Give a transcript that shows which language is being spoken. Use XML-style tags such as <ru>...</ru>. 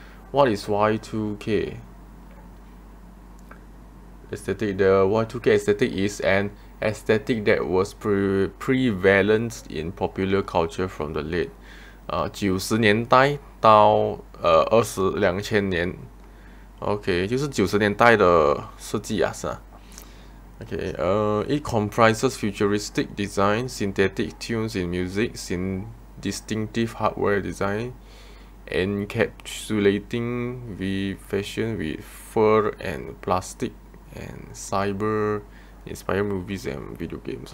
<en>What is Y2K? Aesthetic. The Y2K aesthetic is an aesthetic that was prevalent in popular culture from the late</en> <zh>90年代到2000年。 OK，就是90年代的设计啊，是啊。</zh> <en>OK，it comprises futuristic design, synthetic tunes in music, distinctive hardware design, encapsulating the fashion with fur and plastic and cyber inspired movies and video games.</en>